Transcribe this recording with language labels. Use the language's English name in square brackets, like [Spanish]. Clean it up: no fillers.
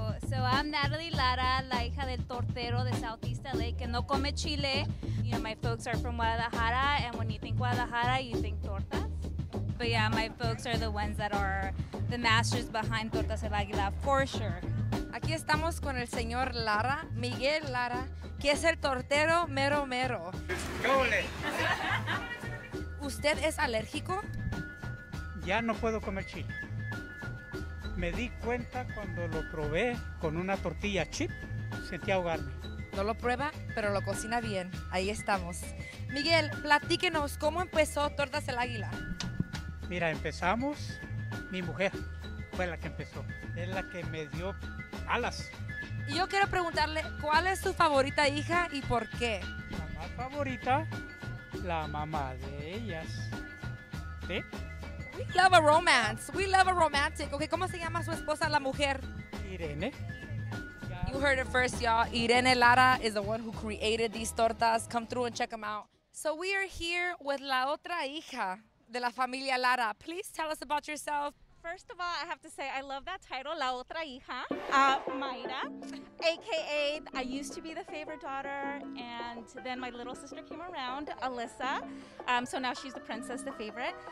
[English] So I'm Natalie Lara, [Spanish] la hija del tortero de Southeast LA, que no come chile. [English] You know, my folks are from Guadalajara, and when you think Guadalajara, you think tortas. But yeah, my folks are the ones that are the masters behind Tortas del Águila, for sure. [Spanish] Aquí estamos con el señor Lara, Miguel Lara, que es el tortero mero mero. ¿Usted es alérgico? Ya no puedo comer chile. Me di cuenta cuando lo probé con una tortilla chip, sentí ahogarme. No lo prueba, pero lo cocina bien. Ahí estamos. Miguel, platíquenos, ¿cómo empezó Tortas del Águila? Mira, empezamos, mi mujer fue la que empezó. Es la que me dio alas. Y yo quiero preguntarle, ¿cuál es su favorita hija y por qué? La más favorita, la mamá de ellas. ¿Sí? [English] We love a romance. We love a romantic. [Spanish] Okay, ¿cómo se llama su esposa, la mujer? Irene. [English] You heard it first, y'all. Irene Lara is the one who created these tortas. Come through and check them out. So we are here with [Spanish] la otra hija de la familia Lara. [English] Please tell us about yourself. First of all, I have to say, I love that title, La Otra Hija, Mayra, AKA, I used to be the favorite daughter, and then my little sister came around, Alyssa, so now she's the princess, the favorite.